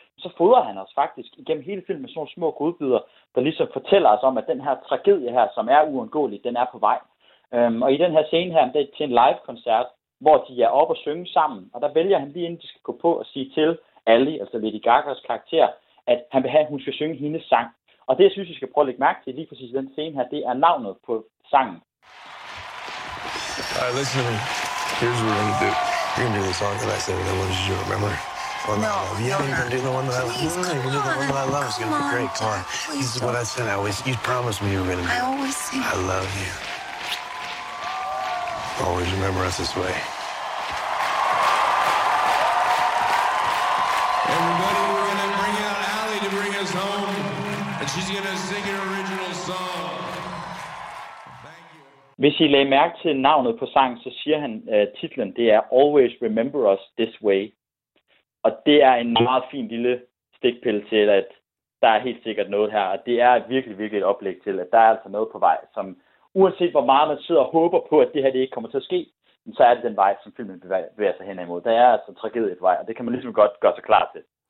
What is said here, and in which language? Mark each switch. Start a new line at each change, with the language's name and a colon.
Danish: Så fodrer han os faktisk igennem hele filmen med sådan nogle små godbidder, der ligesom fortæller os om, at den her tragedie her, som er uundgåelig, den er på vej. Og i den her scene her, det er til en live-koncert, hvor de er oppe og synge sammen, og der vælger han lige inden de skal gå på og sige til Ally, altså Lady Gagas karakter, at han vil have, at hun skal synge hendes sang. Og det, jeg synes, vi skal prøve at lægge mærke til lige præcis i den scene her, det er navnet på sangen.
English: All right, listen, here's what we're gonna do. We're gonna do the song that I said that I wanted you to remember. One that I love. You don't even do the one that I love. Please, come on. You're gonna do the one that I love. It's gonna be great. Come on. This is what I said. You promised me you were gonna do. I always say. I love you. Always remember us this way. Everybody, we're gonna bring out Ally to bring us home. And she's gonna sing her original song.
Danish: Hvis I lagde mærke til navnet på sangen, så siger han titlen, det er Always Remember Us This Way. Og det er en meget fin lille stikpille til, at der er helt sikkert noget her. Og det er virkelig, virkelig et oplæg til, at der er altså noget på vej, som uanset hvor meget man sidder og håber på, at det her det ikke kommer til at ske, så er det den vej, som filmen bevæger sig hen imod. Der er altså tragedie på vej, og det kan man ligesom godt gøre sig klar til.